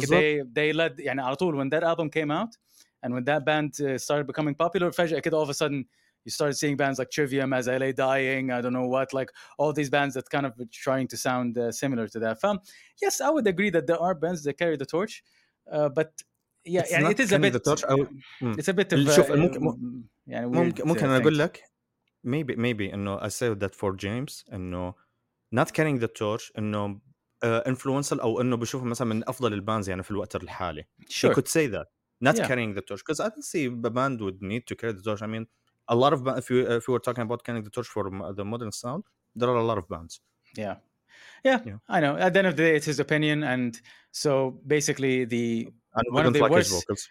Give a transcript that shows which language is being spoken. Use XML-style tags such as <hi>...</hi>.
<en>Like they led</en> <ar>يعني على طول</ar> <en>when that album came out. And when that band started becoming popular, all of a sudden, you started seeing bands like Trivium, As I Lay Dying, I Don't Know What, like all these bands that kind of were trying to sound similar to that. Yes, I would agree that there are bands that carry the torch, but yeah, يعني it is a bit... The torch, it's a bit of...</en> <ar>شوف, ممكن أنا أقول لك,</ar> <en>maybe,</en> <ar>إنه</ar> <en>I say that for James,</en> <ar>إنه</ar> <en>not carrying the torch,</en> <ar>إنه</ar> <en>influential,</en> <ar>أو إنه بشوفه مثلا من أفضل البانز يعني في الوقت الحالي.</ar> <en>Sure. You could say that. Not carrying the torch because I don't see a band would need to carry the torch. I mean, a lot of if we were talking about carrying the torch for the modern sound, there are a lot of bands. Yeah. I know. At the end of the day, it's his opinion, and so basically the and one of the like worst. His vocals.</en>